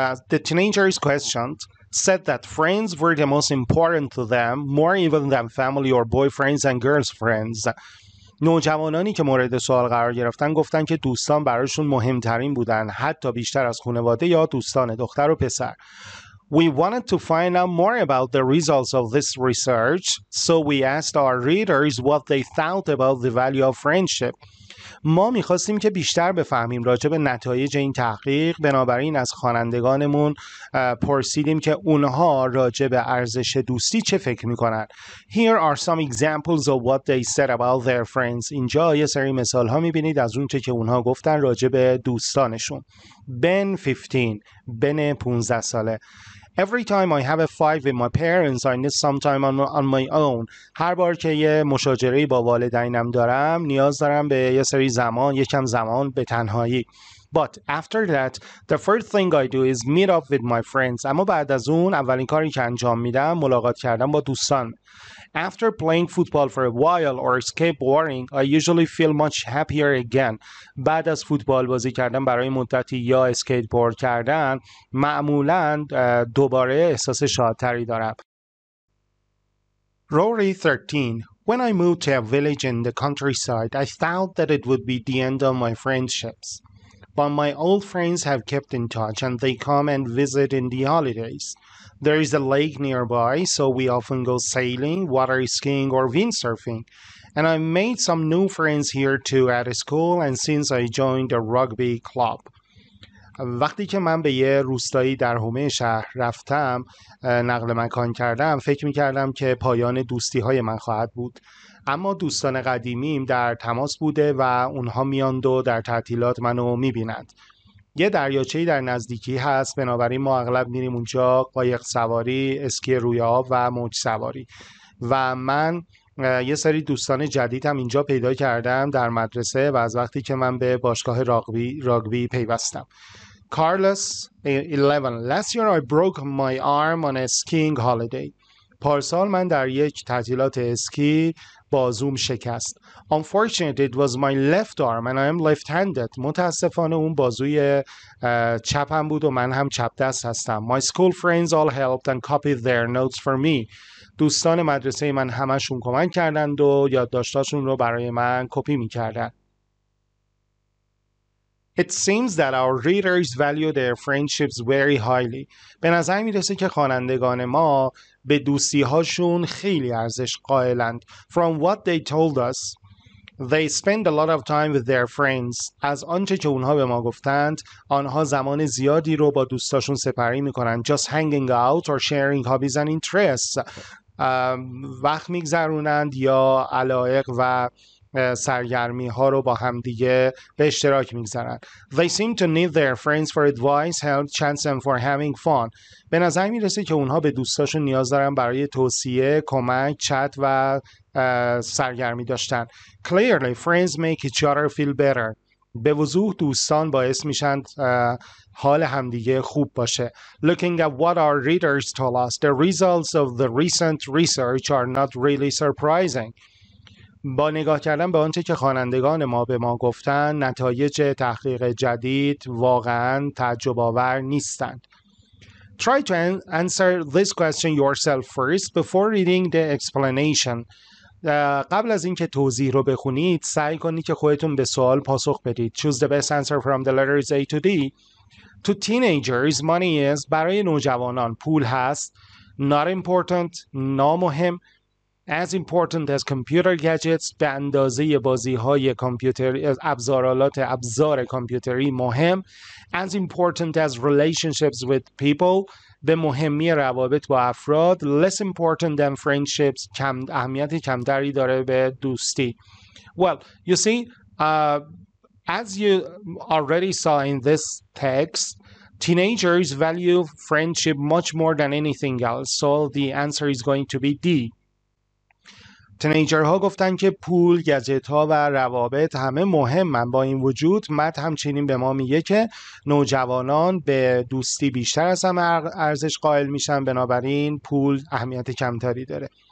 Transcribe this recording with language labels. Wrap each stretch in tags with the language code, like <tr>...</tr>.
<en>The teenagers questioned said that friends were the most important to them, more even than family or boyfriends and girlfriends.</en> <fa>نوجوانانی که مورد سوال قرار گرفتن گفتن که دوستان براشون مهمترین بودن، حتی بیشتر از خانواده یا دوستان دختر و پسر.</fa> <en>We wanted to find out more about the results of this research, so we asked our readers what they thought about the value of friendship.</en> <fa>ما می‌خواستیم که بیشتر بفهمیم راجع به نتایج این تحقیق، بنابراین از خوانندگانمون پرسیدیم که اونها راجع به ارزش دوستی چه فکر می‌کنن.</fa> <en>Here are some examples of what they said about their friends.</en> <fa>اینجا یه سری مثال‌ها می‌بینید از اون چه که اونها گفتن راجع به دوستانشون.</fa> <en>Ben 15.</en> <fa>بن 15 ساله.</fa> <en>Every time I have a fight with my parents, I need some time on my own.</en> <fa>هر بار که یه مشاجره‌ای با والدینم دارم، نیاز دارم به یه سری زمان، یکم زمان به تنهایی.</fa> <en>But after that, the first thing I do is meet up with my friends.</en> <fa>اما بعد از اون، اولین کاری که انجام میدم، ملاقات کردن با دوستان.</fa> <en>After playing football for a while or skateboarding, I usually feel much happier again.</en> <fa>بعد از فوتبال بازی کردن برای مدتی یا اسکیتبورد کردن، معمولاً دوباره احساس شادتری دارم.</fa> <en>Rory 13. When I moved to a village in the countryside, I thought that it would be the end of my friendships. But my old friends have kept in touch and they come and visit in the holidays. There is a lake nearby, so we often go sailing, water skiing or windsurfing. And I made some new friends here too at school and since I joined a rugby club.</en> <fa>وقتی که من به یه روستایی در حومه شهر رفتم، نقل مکان کردم، فکر می‌کردم که پایان دوستی‌های من خواهد بود. اما دوستان قدیمیم در تماس بوده و اونها میاند و در تعطیلات منو می‌بینند. یه دریاچه‌ای در نزدیکی هست، بنابراین ما اغلب میریم اونجا قایق سواری، اسکی روی آب و موج سواری. و من یه سری دوستان جدید هم اینجا پیدا کردم در مدرسه و از وقتی که من به باشگاه راگبی پیوستم.</fa> <en>Carlos 11. Last year I broke my arm on a skiing holiday.</en> <fa>پارسال من در یک تعطیلات اسکی بازوم شکست.</fa> <en>Unfortunately, it was my left arm and I am left-handed.</en> <fa>متاسفانه اون بازوی چپم بود و من هم چپ دست هستم.</fa> <en>My school friends all helped and copied their notes for me.</en> <fa>دوستان مدرسه من همشون کمک کردند و یادداشتاشون رو برای من کپی می‌کردند.</fa> <en>It seems that our readers value their friendships very highly.</en> <fa>به نظر می‌رسه که خوانندگان ما به دوستی‌هاشون خیلی ارزش قائلند.</fa> <en>From what they told us, they spend a lot of time with their friends.</en> <fa>از آنچه که اونها به ما گفتند، آنها زمان زیادی رو با دوستاشون سپری می‌کنند.</fa> <en>Just hanging out or sharing hobbies and interests.</en> <fa>وقت می‌گذرونند یا علایق و سرگرمی ها رو با هم دیگه به اشتراک میگذارن.</fa> <en>They seem to need their friends for advice, help, chance and for having fun.</en> <fa>به نظر میرسه که اونها به دوستاشون نیاز دارن برای توصیه، کمک، چت و سرگرمی داشتن.</fa> <en>Clearly, friends make each other feel better.</en> <fa>به وضوح دوستان باعث میشن حال همدیگه خوب باشه.</fa> <en>Looking at what our readers told us, the results of the recent research are not really surprising.</en> <fa>با نگاه کردن به آنچه که خوانندگان ما به ما گفتن، نتایج تحقیق جدید واقعا تعجب‌آور نیستند.</fa> <en>try to answer this question yourself first before reading the explanation.</en> <fa>قبل از اینکه توضیح رو بخونید سعی کنید که خودتون به سوال پاسخ بدید.</fa> <en>Choose the best answer from the letters A to D. To teenagers, money is,</en> <fa>برای نوجوانان پول هست.</fa> <en>Not important,</en> <fa>نامهم.</fa> <en>As important as computer gadgets,</en> <fa>به اندازه بازی های کامپیوتر، ابزار کامپیوتری مهم.</fa> <en>As important as relationships with people,</en> <fa>به مهمی روابط با افراد.</fa> <en>Less important than friendships,</en> <fa>کم، اهمیت کمتری داره به دوستی.</fa> <en>Well, you see, as you already saw in this text, teenagers value friendship much more than anything else. So the answer is going to be D.</en> <fa>تینیجرها گفتن که پول، گجت‌ها و روابط همه مهمن. با این وجود مت همچنین به ما میگه که نوجوانان به دوستی بیشتر از همه ارزش قائل میشن، بنابراین پول اهمیت کمتری داره.</fa>